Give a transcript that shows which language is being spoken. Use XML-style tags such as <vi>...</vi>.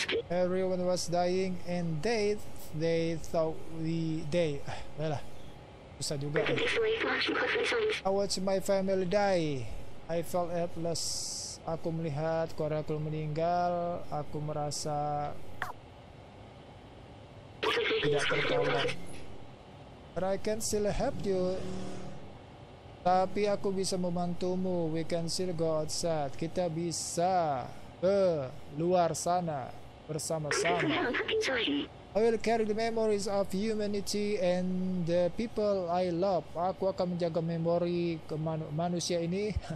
<en>Everyone was dying and they thought we they well</en> <id>susah juga eh.</id> <en>I watched my family die. I felt helpless.</en> <id>Aku melihat keluarga aku meninggal. Aku merasa tidak tertolong.</id> <en>But I can still help you.</en> <id>Tapi aku bisa membantumu.</id> <en>We can still go outside.</en> <id>Kita bisa ke luar sana bersama-sama.</id> <en>I will carry the memories of humanity and the people I love.</en> <id>Aku akan menjaga memori ke manusia ini.</id>